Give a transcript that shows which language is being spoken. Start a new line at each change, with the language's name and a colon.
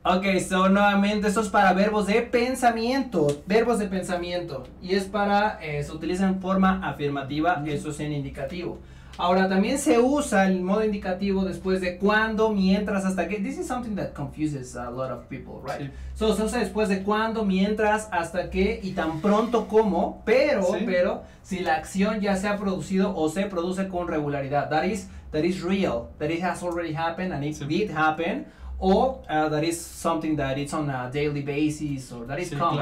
Spanish: Ok, so nuevamente, esto es para verbos de pensamiento. Verbos de pensamiento. Y es para, se utiliza en forma afirmativa, eso es en indicativo. Ahora, también se usa el modo indicativo después de cuando, mientras, hasta que.
English: This is something that confuses a lot of people, right?
Spanish: Sí. So, se usa después de cuando, mientras, hasta que, y tan pronto como, pero, si la acción ya se ha producido o se produce con regularidad.
English: That is real. That it has already happened and it did happen. O that is something that it's on a daily basis or that is common.